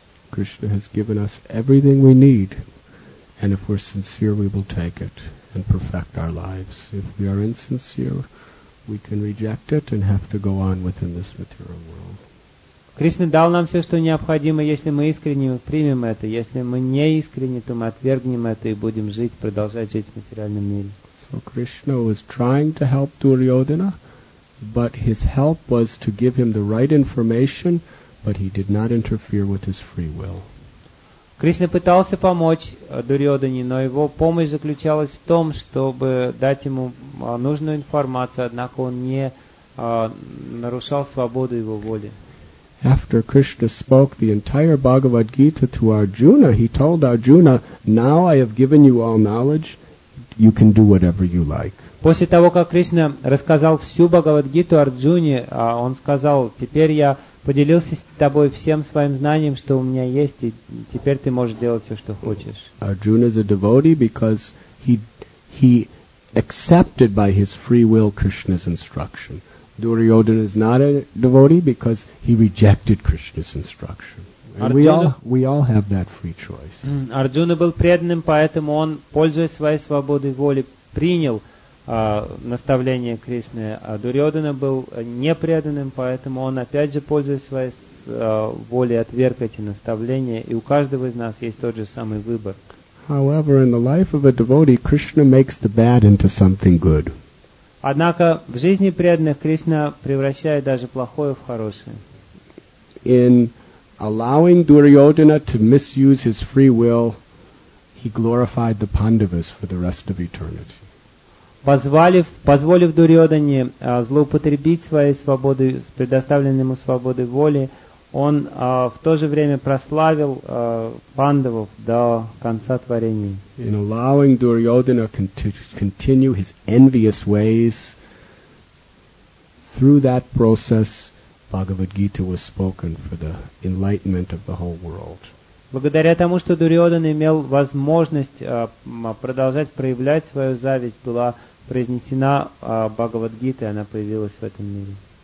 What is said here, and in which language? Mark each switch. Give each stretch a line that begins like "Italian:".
English: Krishna has given us everything we need, and if we're sincere, we will take it and perfect our lives. If we are insincere, we can reject it and have to go on within this material world.
Russian: Krishna дал нам все, что необходимо. Если мы искренне примем это, если мы не искренне, то мы отвергнем это и будем жить, продолжать жить в материальном мире.
English: So Krishna was trying to help Duryodhana, but his help was to give him the right information. But he did not interfere with his free will.
Russian: Кришна пытался помочь Дурьодане, но его помощь заключалась в том, чтобы дать ему нужную информацию, однако он не нарушал свободу его воли.
English: After Krishna spoke the entire Bhagavad Gita to Arjuna, he told Arjuna, "Now I have given you all knowledge, you can do whatever you like."
Russian: После того, как Кришна рассказал всю Бхагавад-гиту Арджуне, он сказал, "Теперь я поделился с тобой всем своим знанием, что у меня есть, и теперь ты можешь делать все, что хочешь."
English: Arjuna is a devotee because he accepted by his free will Krishna's instruction. Duryodhana is not a devotee because he rejected Krishna's instruction. And we all have that free choice.
Russian: Arjuna был преданным, поэтому он, пользуясь своей свободой воли, принял наставление Кришны. А Дурьодхана был непреданным, поэтому он опять же, пользуясь своей волей, отверг эти наставления, и у каждого из нас есть тот же самый выбор.
English: However, in the life of a devotee, Krishna makes the bad into something good.
Russian: Однако в жизни преданных Кришна превращает даже плохое в хорошее.
English: In allowing Duryodhana to misuse his free will, he glorified the Pandavas for the rest of eternity.
Russian: Позволив Дурьодхане злоупотребить своей свободой, предоставленной ему свободой воли, он в то же время прославил пандавов до конца творения.
English: In allowing Duryodhana to continue his envious ways, through that process, Bhagavad Gita was spoken for the enlightenment of the whole world.
Russian: Благодаря тому, что Дурьодхана имел возможность продолжать проявлять свою зависть, была произнесена Бхагавад-гита, и она появилась в этом мире.